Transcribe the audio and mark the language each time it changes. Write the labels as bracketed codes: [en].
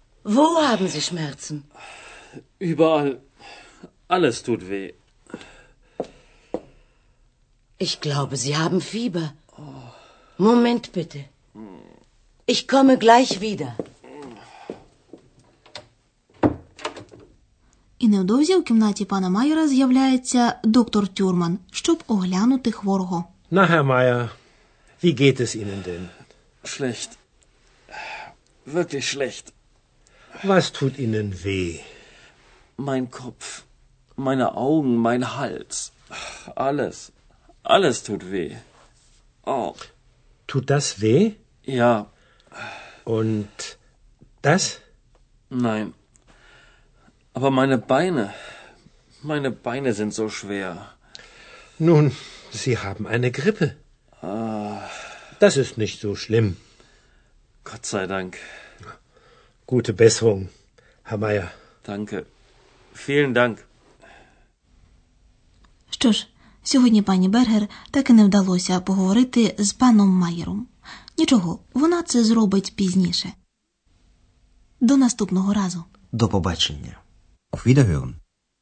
[de] Wo haben Sie Schmerzen? Überall. Alles tut weh. Ich glaube, Sie haben Fieber. Moment bitte. Ich komme gleich wieder. І невдовзі у кімнаті пана Майера з'являється доктор Тюрман, щоб оглянути хворого. Na, Herr Meier, wie geht es Ihnen denn? Schlecht. Wirklich schlecht. Was tut Ihnen weh? Mein Kopf, meine Augen, mein Hals. Alles. Alles tut weh. Oh. Tut das weh? Ja. Und das? Nein. Aber meine Beine sind so schwer. Nun, Sie haben eine Grippe. Das ist nicht so schlimm. Gott sei Dank. Gute Besserung, Herr Meier. Danke. Vielen Dank. [uk] Що ж, сьогодні пані Бергер таки не вдалося поговорити з паном Майером. Нічого, вона це зробить пізніше. До наступного разу. До побачення. [de] Auf Wiederhören.